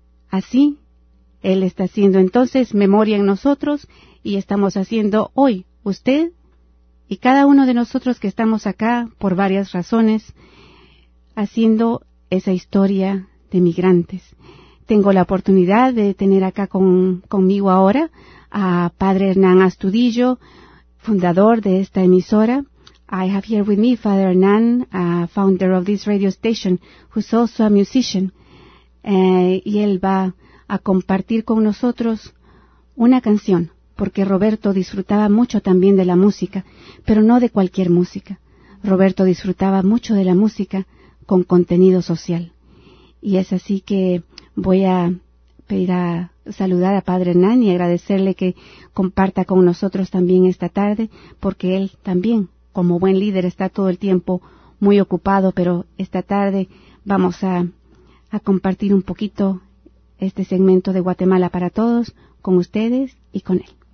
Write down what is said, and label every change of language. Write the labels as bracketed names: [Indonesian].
[Spanish] Así, él está haciendo entonces memoria en nosotros y estamos haciendo hoy, usted y cada uno de nosotros que estamos acá por varias razones, haciendo esa historia de migrantes. Tengo la oportunidad de tener acá conmigo ahora a Padre Hernán Astudillo, fundador de esta emisora. [English] I have here with me Father Hernán, founder of this radio station, who's also a musician. [Spanish] Y él va a compartir con nosotros una canción, porque Roberto disfrutaba mucho también de la música, pero no de cualquier música. Roberto disfrutaba mucho de la música con contenido social. Y es así que voy a pedir a saludar a Padre Hernán y agradecerle que comparta con nosotros también esta tarde, porque él también, como buen líder, está todo el tiempo muy ocupado, pero esta tarde vamos a compartir un poquito este segmento de Guatemala para Todos con ustedes y con él.